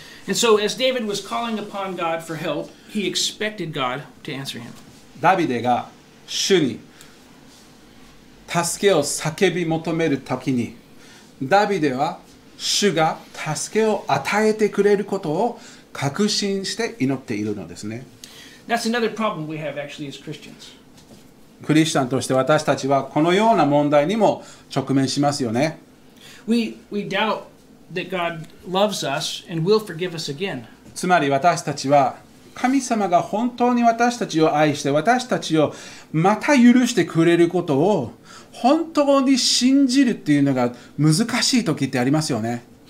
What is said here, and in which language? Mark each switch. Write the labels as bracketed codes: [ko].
[en] And so as David was calling upon God for help, he expected God to answer him. [ja] ダビデが主に助けを叫び求めるときに、ダビデは主が助けを与えてくれることを確信して祈っているのですね。 [en] That's another problem we have actually as Christians. [ja] クリスチャンとして私たちはこのような問題にも直面しますよね。 [en] We doubtThat God loves us and will forgive us again. [ja] つまり私たちは神様が本当に私たちを愛して私たちをまた許してくれることを本当に信じるっていうのが難しい時ってありますよね。